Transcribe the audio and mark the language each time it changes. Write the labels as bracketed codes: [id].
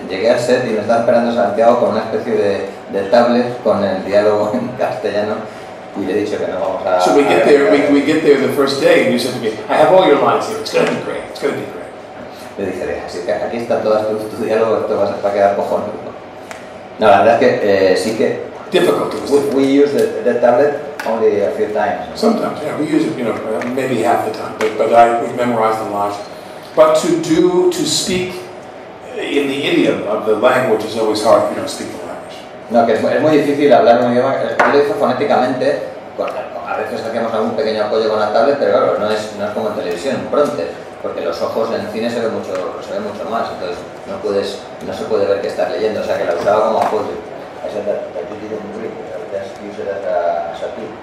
[es] No, llegué al set y me estaba esperando Santiago con una especie de tablet con el diálogo en castellano y le he dicho que no vamos a. [en] So we get there the first day, and you said to me, I have all your lines here. It's going to be great. It's going to be great. [es] Le dije, así que aquí está todo tu diálogo. Esto va a quedar cojones. No, la verdad es que sí que. [en] Difficult. We use the tablet only a few times. Sometimes, yeah, we use it, you know, maybe half the time, but I we memorize the lines. But to speak in the idiom of the language is always hard if you don't speak the language. [es] No, que es muy difícil hablar un idioma. Yo lo hice fonéticamente, a veces hacíamos algún pequeño apoyo con la tablet, pero claro, no es como en televisión, pronto. Porque los ojos en cine se ven mucho más, entonces no se puede ver qué estás leyendo, o sea que la usaba como apoyo. Esa es la actitud